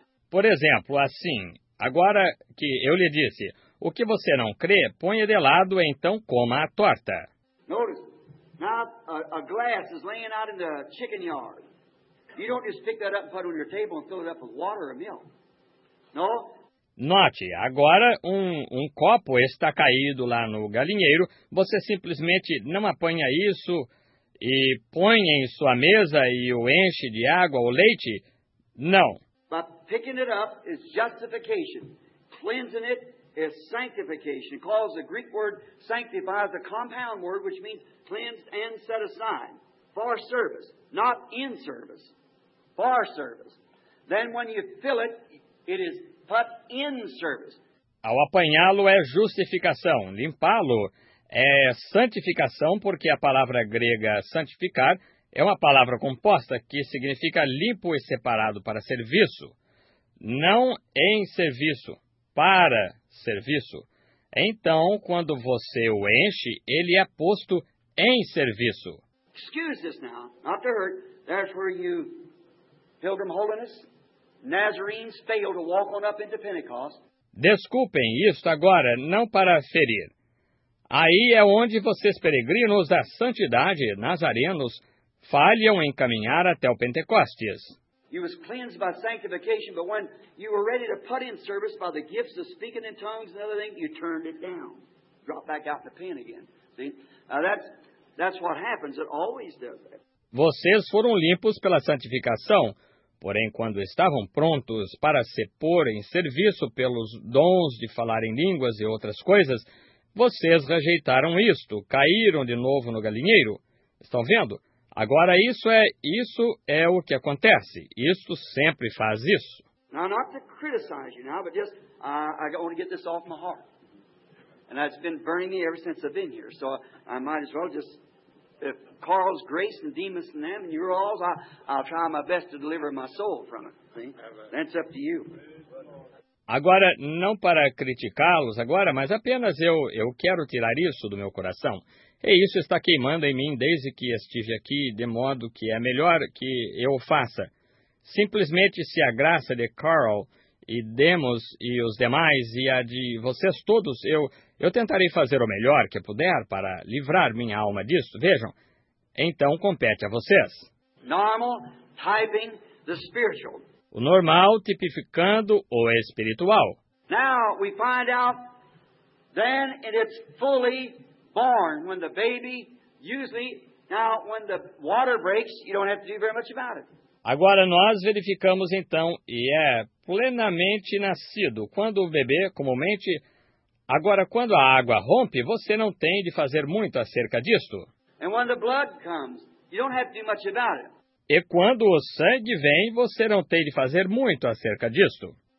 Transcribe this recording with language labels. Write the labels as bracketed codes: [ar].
[pt] Por exemplo, assim, agora que eu lhe disse, o que você não crê, ponha de lado e então coma a torta. [en] Notice, now a glass is laying out in the chicken yard. You don't just pick that up and put it on your table and fill it up with water or milk. No? [pt] Note, agora um copo está caído lá no galinheiro. Você simplesmente não apanha isso e põe em sua mesa e o enche de água ou leite? Não. [en] But picking it up is justification. Cleansing it. It's sanctification. It calls the Greek word sanctify the compound word, which means cleansed and set aside for service, not in service, for service. Then when you fill it, it is put in service. [pt] Ao apanhá-lo é justificação, limpá-lo é santificação, porque a palavra grega santificar é uma palavra composta que significa limpo e separado para serviço, não em serviço, para serviço. Então, quando você o enche, ele é posto em serviço. [en] Excuse this now, not to hurt. That's where you, Pilgrim Holiness, Nazarenes failed to walk on up into Pentecost. [pt] Desculpem isto agora, não para ferir. Aí é onde vocês peregrinos da santidade, nazarenos, falham em caminhar até o Pentecostes. [en] You was cleansed by sanctification, but when you were ready to put in service by the gifts of speaking in tongues and other things, you turned it down. Dropped back out the pen again. See? Now that's what happens. It always does that. [pt] Vocês foram limpos pela santificação, Porém, quando estavam prontos para se pôr em serviço pelos dons de falar em línguas e outras coisas, vocês rejeitaram isto, caíram de novo no galinheiro. Estão vendo? Agora isso é o que acontece. Isto sempre faz isso. [en] Now, not to criticize you now, but just I want to get this off my heart. And that's been burning me ever since I've been here. So I might as well just, if Carl's grace and Demas and them and you're all, I'll try my best to deliver my soul from it. See? That's up to you. [pt] Agora, não para criticá-los agora, mas apenas eu quero tirar isso do meu coração. E isso está queimando em mim desde que estive aqui, de modo que é melhor que eu o faça. Simplesmente se a graça de Carl e Demos e os demais e a de vocês todos, eu tentarei fazer o melhor que puder para livrar minha alma disso. Vejam, então compete a vocês. [en] Normal, typing the spiritual. [pt] O normal tipificando o espiritual. [en] Now we find out then it's fully born when the baby usually now when the water breaks you don't have to do very much about it. [pt] Agora nós verificamos então e é plenamente nascido quando o bebê comumente agora quando a água rompe você não tem de fazer muito acerca disto. [en] And when the blood comes you don't have to do much about it. [pt] E quando o sangue vem, você não tem de fazer muito acerca disto.